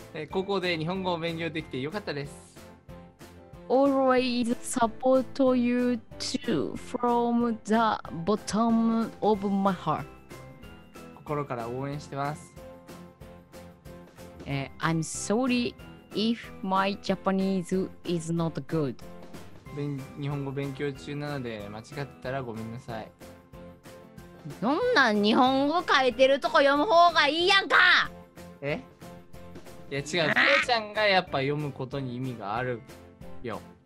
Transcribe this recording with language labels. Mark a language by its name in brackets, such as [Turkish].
[Japanese] 高校で日本語を勉強できてよかったです。 [English] Always support you too from the bottom of my heart. [Japanese] 心から応援してます。 [English] I'm sorry if my Japanese is not good. [Japanese] 日本語勉強中なので間違ってたらごめんなさい。どんな日本語書いてるとこ読む方がいいやんか。え？いや違う、クロちゃんがやっぱ読むことに意味があるよ。